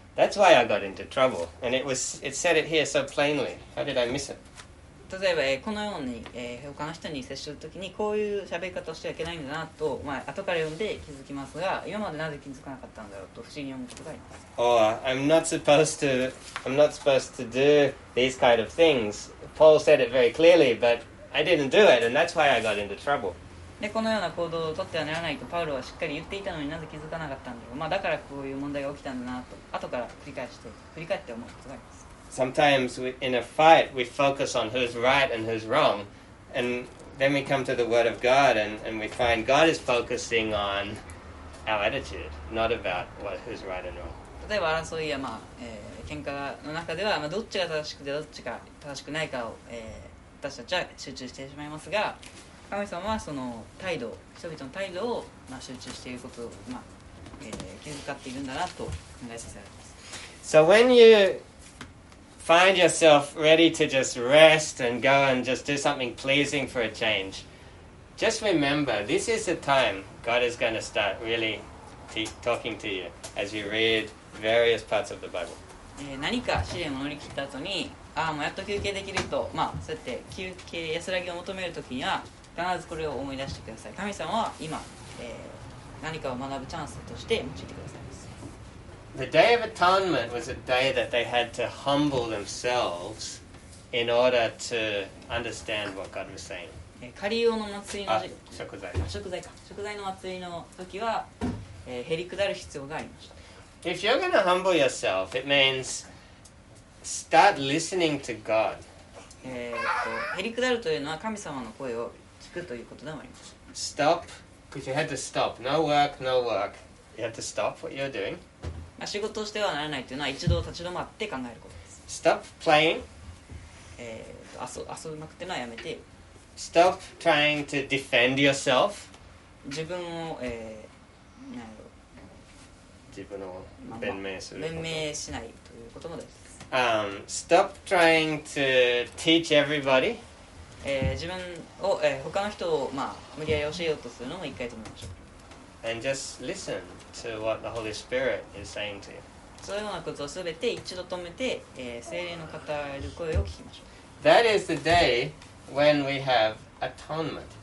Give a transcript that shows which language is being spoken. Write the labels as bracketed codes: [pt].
[en] That's why I got into trouble. And it said it here so plainly. How did I miss it? [ja] 例えば、このように、他の人に接するときにこういう喋り方をしてはいけないんだなと、まあ、後から読んで気づきますが、今までなぜ気づかなかったんだろうと不思議に思うことがあります。 [en] Or, I'm not supposed to do these kind of things. Paul said it very clearly, but I didn't do it, and that's why I got into trouble. [ja] で、このような行動を取ってはならないとパウロはしっかり言っていたのになぜ気づかなかったんだろう。まあ、だからこういう問題が起きたんだなと、後から振り返って思うことがあります。 [en] Sometimes we, in a fight, we focus on who's right and who's wrong, and then we come to the Word of God, and we find God is focusing on our attitude, not about who's right and wrong. [ja] 例えば争いや、まあ喧嘩の中では、まあ、どっちが正しくてどっちが正しくないかを、私たちは集中してしまいますが、神様はその態度、人々の態度を、まあ、集中していることを、まあ気づかっているんだなと考えさせられます。 [en] So when youFind yourself ready to just rest and go and just do something pleasing for a change. Just remember, this is the time God is going to start really talking to you as you read various parts of the Bible. [ja] 何か試練を乗り切った後に、ああ、もうやっと休憩できると、まあ、そうやって休憩、安らぎを求めるときには、必ずこれを思い出してください。神様は今、何かを学ぶチャンスとして用いてください。 [en] The Day of Atonement was a day that they had to humble themselves in order to understand what God was saying. [ja] 仮用の祭りの時、食材、食材か、食材の祭りの時は、へり下る必要がありました。 [en] If you're going to humble yourself, it means start listening to God. [ja] へり下るというのは神様の声を聞くということでもあります。 [en] Stop, because you had to stop. No work. You had to stop what you're doing. [ja] 仕事をしてはならないというのは一度立ち止まって考えることです。 [en] Stop playing. [ja] 遊びまくってのはやめて。 [en] Stop trying to defend yourself. [ja] 自分を、なんだろう。自分を弁明すること。まあ、弁明しないということもです。 [en] Stop trying to teach everybody. [ja] 自分を、他の人を、まあ、無理やり教えようとするのも一回止めましょう。 [en] And just listen to what the Holy Spirit is saying to you. [ja] そういうようなことをすべて一度止めて、聖霊の語る声を聞きましょう。 [en] That is the day when we have atonement.